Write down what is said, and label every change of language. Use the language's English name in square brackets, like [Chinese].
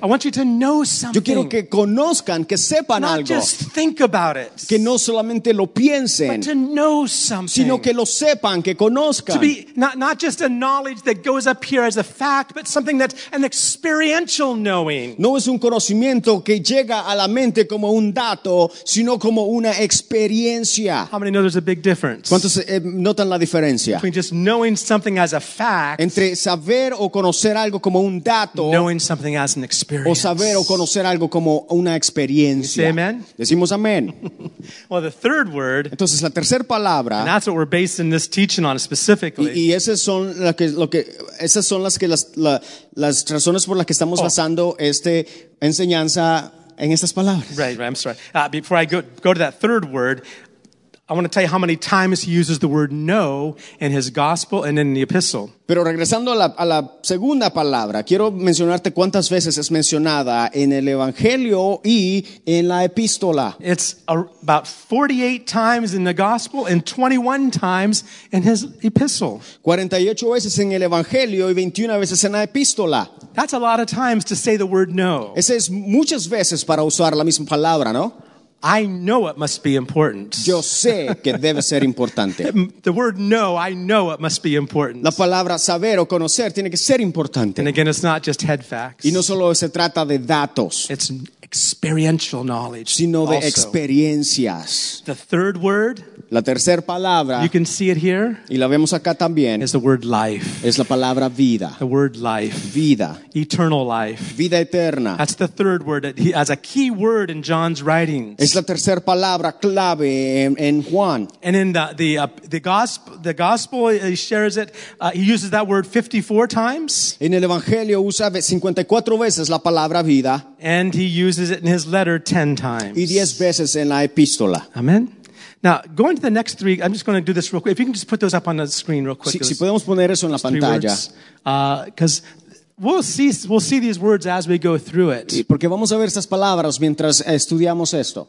[English] I want you to know something. [Spanish] Yo quiero que conozcan, que sepan [English] not [Spanish] algo. [English] Just think about it. [Spanish] Que no solamente lo piensen. [English] But to know something. [Spanish] Sino que lo sepan, que conozcan. [English] To be not just a knowledge that goes up here as a fact, but something that's an experiential knowing. [Spanish] No es un conocimiento que llega a la mente como un dato, sino como una experiencia. [English] How many know there's a big difference? [Spanish] ¿Cuántos notan la diferencia? [English] Between just knowing something as a fact. [Spanish] Entre saber o conocer algo como un dato. [English] Knowing something as an experience. [Spanish] O saber o conocer algo como una experiencia. [English] You say amen? [Spanish] Decimos amén. [English] Well, the third word. [Spanish] Entonces, la tercera palabra. [English] And that's what we're basing this teaching on specifically. [Spanish] Y esas son las que, lo que, esas son las que las, la, las razones por las que estamos basando esta enseñanza en estas palabras. [English] Right, right, I'm sorry. Before I go to that third word, I want to tell you how many times he uses the word know in his gospel and in the epistle. [Spanish] Pero regresando a la segunda palabra, quiero mencionarte cuántas veces es mencionada en el evangelio y en la epístola. [English] It's about 48 times in the gospel and 21 times in his epistle. [Spanish] 48 veces en el evangelio y 21 veces en la epístola. [English] That's a lot of times to say the word know. [Spanish] Esa es muchas veces para usar la misma palabra, ¿no? [English] I know it must be important. [Spanish] Yo sé que debe ser importante. [English] The word know, I know it must be important. [Spanish] La palabra saber o conocer tiene que ser importante. [English] And again, it's not just head facts. [Spanish] Y no solo se trata de datos. [English] It's experiential knowledge. [Spanish] Sino de [English] also. [Spanish] Experiencias. [English] The third word. [Spanish] La tercera palabra. [English] You can see it here. [Spanish] Y la vemos acá también. [English] Is the word life. [Spanish] Es la palabra vida. [English] The word life. [Spanish] Vida. [English] Eternal life. [Spanish] Vida eterna. [English] That's the third word that he has a key word in John's writings. [Spanish] Es la tercera palabra clave en Juan. [English] And in the gospel he shares it. He uses that word 54 times. [Spanish] En el evangelio usa 54 veces la palabra vida. [English] And he uses it in his letter 10 times. [Spanish] Y 10 veces en la epístola. [English] Amen. Now, going to the next three, I'm just going to do this real quick. If you can just put those up on the screen real quick. [Spanish] Si podemos poner eso en la pantalla. [English] Because we'll see these words as we go through it. [Spanish] Y porque vamos a ver estas palabras mientras estudiamos esto.